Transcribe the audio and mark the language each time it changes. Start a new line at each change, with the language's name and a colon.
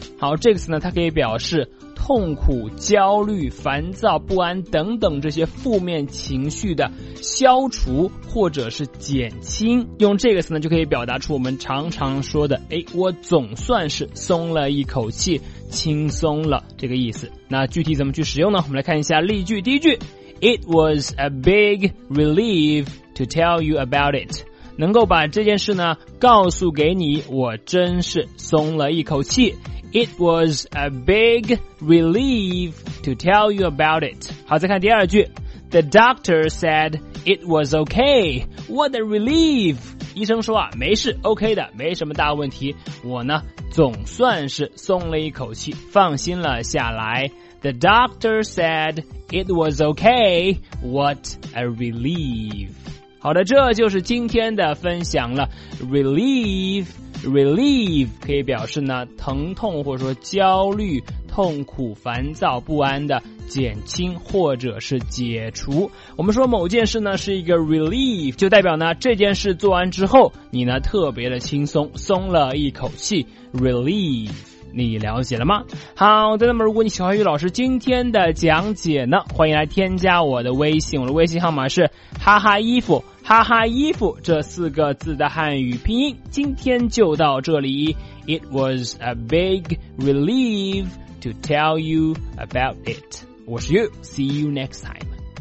Chinese: 好，这个词呢它可以表示痛苦、焦虑、烦躁、不安等等这些负面情绪的消除或者是减轻。用这个词呢就可以表达出我们常常说的，诶，我总算是松了一口气，轻松了，这个意思。那具体怎么去使用呢？我们来看一下例句。第一句，
English: It was a big relief to tell you about it。
Chinese: 能够把这件事呢告诉给你，我真是松了一口气。
English: It was a big relief to tell you about it。
Chinese: 好，再看第二句，
English: The doctor said it was okay。 What a relief。
Chinese: 医生说啊，没事， OK 的，没什么大问题，我呢总算是松了一口气，放心了下来。
English: The doctor said it was okay。 What a relief。
Chinese: 好的，这就是今天的分享了。relievRelief 可以表示呢疼痛或者说焦虑、痛苦、烦躁、不安的减轻或者是解除。我们说某件事呢是一个 relief， 就代表呢这件事做完之后你呢特别的轻松，松了一口气。 relief。 你了解了吗？好的，那么如果你喜欢于老师今天的讲解呢，欢迎来添加我的微信，我的微信号码是哈哈衣服，哈哈衣服这四个字的汉语拼音。今天就到这里，
English: It was a big relief to tell you about it。
Chinese: 我是
English: You, see you next time。